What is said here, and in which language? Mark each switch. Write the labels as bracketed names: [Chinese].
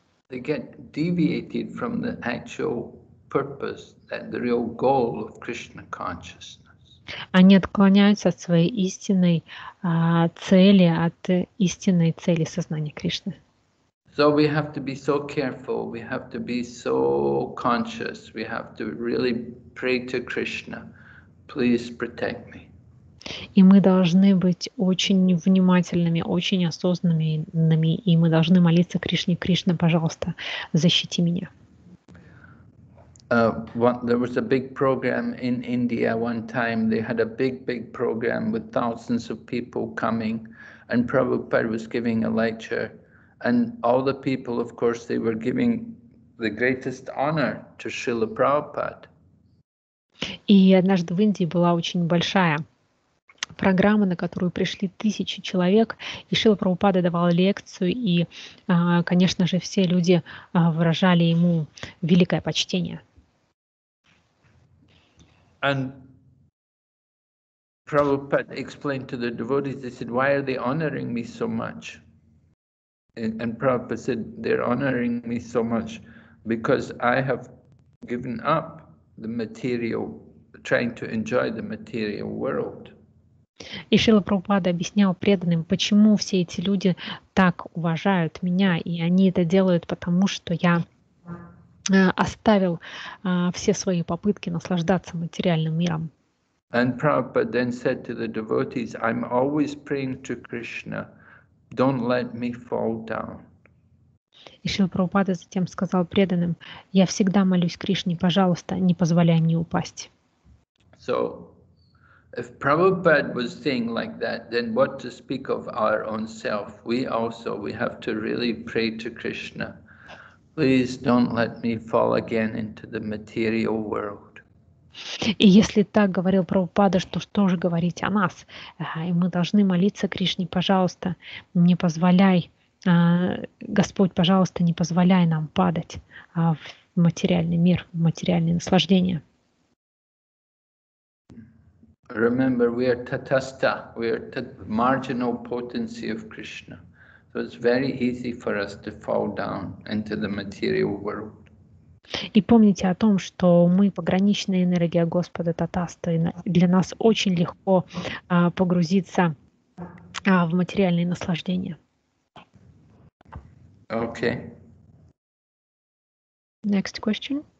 [English] They get deviated from the actual purpose, the real goal of Krishna consciousness. [Russian] Они отклоняются от своей истинной цели, от истинной цели сознания Кришны. [English] So we have to be so careful, we have to be so conscious, we have to really pray to Krishna, please protect me. [Russian] И мы должны быть очень внимательными, очень осознанными, и мы должны молиться Кришне: Кришна, пожалуйста, защити меня. [English] There was a big program in India one time. They had a big, big program with thousands of people coming, and Prabhupada was giving a lecture. And all the people, of course, they were giving the greatest honor to Srila Prabhupada. [Russian] И однажды в Индии была очень большая программа, на которую пришли тысячи человек, и Шрила Прабхупада давал лекцию, и, конечно же, все люди выражали ему великое почтение. [English] And Prabhupada explained to the devotees, they said, why are they honoring me so much? And Prabhupada said, they're honoring me so much because I have given up the material, trying to enjoy the material world. [Russian] И Шрила Прабхупада объяснял преданным, почему все эти люди так уважают меня, и они это делают, потому что я оставил все свои попытки наслаждаться материальным миром. [English] And Prabhupada then said to the devotees, I'm always praying to Krishna, don't let me fall down. [Russian] И Шрила Прабхупада затем сказал преданным, я всегда молюсь Кришне, пожалуйста, не позволяй мне упасть. [English] So, if Prabhupada was saying like that, then what to speak of our own self? We also, we have to really pray to Krishna. Please don't let me fall again into the material world. [Russian] И если так говорил Прабхупада, что же говорить о нас? И мы должны молиться Кришне, пожалуйста, не позволяй, Господь, пожалуйста, не позволяй нам падать в материальный мир, в материальные наслаждения. [English] Remember, we are tatastha, we are marginal potency of Krishna. So it's very easy for us to fall down into the material world. [Russian] И помните о том, что мы пограничная энергия Господа татаста, и для нас очень легко погрузиться в материальные наслаждения. [English] Okay. Next question.